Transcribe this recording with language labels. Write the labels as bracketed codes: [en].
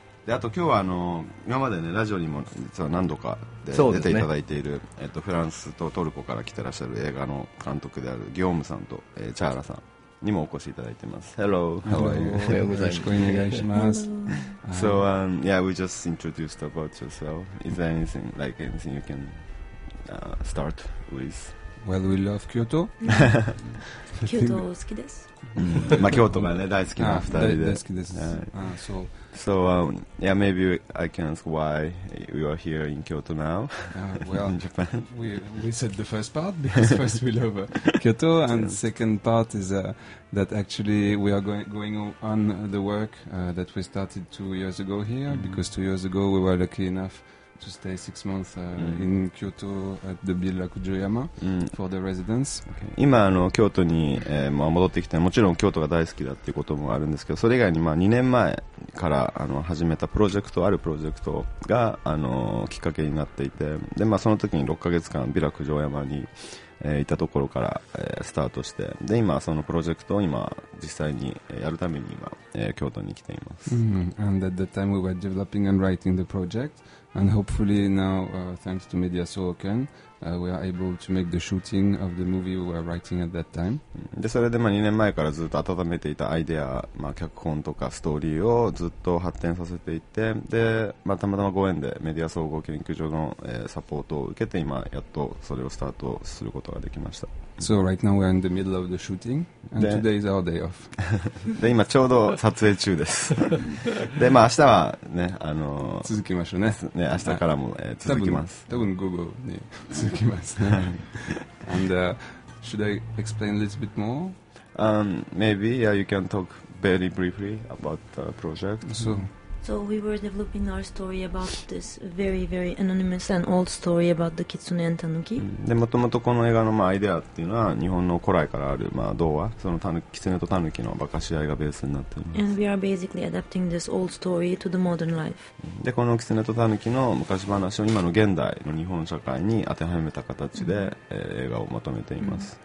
[ja] であと今日はあの今までねラジオにも実は何度かで出ていただいている、ね、フランスとトルコから来てらっしゃる映画の監督であるギオームさんと、チャーラさんにもお越しいただいてます。 [en] Hello, how are you? [ja] よろしくお願いします。 [en] So, yeah, we just introduced about yourself. Is there anything, like anything you can start with? Well, we love Kyoto. [ja] 京都好きです。まあ京都がね大好きな二人で。大好きです。 [en] So, yeah, maybe I can ask why we are here in Kyoto now. Well, in Japan. We said the first part because first we love Kyoto, and second part is that actually we are going on the work that we started 2 years ago here, because 2 years ago we were lucky enough. To stay 6 months in Kyoto at the Villa Kujoyama for the residence. [ja] 今あの京都に、まあ、戻ってきて、もちろん京都が大好きだっていうこともあるんですけど、それ以外にまあ2年前からあの始めたプロジェクト、あるプロジェクトがあのきっかけになっていて、でまあその時に6ヶ月間ビラ九条山に、いたところから、スタートして、で今そのプロジェクトを今実際にやるために今、京都に来ています。 Mm-hmm. [en] And at that time we were developing and writing the project. And hopefully now, thanks to Media Sooken, we are able to make the shooting of the movie we were writing at that time. [ja] で、それでまあ2年前からずっと温めていたアイデア、まあ、脚本とかストーリーをずっと発展させていて、で、まあ、たまたまご縁でメディア総合研究所の、サポートを受けて、今やっとそれをスタートすることができました。 [en] So right now we're in the middle of the shooting, and today is our day off. [ja] で今ちょうど撮影中です。でまあ明日はね続きましょうね。ね明日からも、続きます。多分午後に続きます、ね。 [en] And should I explain a little bit more? Maybe yeah, you can talk very briefly about the project. So we were developing our story about this very, very anonymous and old story about the Kitsune and Tanuki. [ja] で、もともとこの映画のまあアイデアっていうのは日本の古来からある、まあ、童話、そのキツネとタヌキの化かし合いがベースになっています。 [en] And we are basically adapting this old story to the modern life. [ja] で、このキツネとタヌキの昔話を今の現代の日本社会に当てはめた形で、映画をまとめています。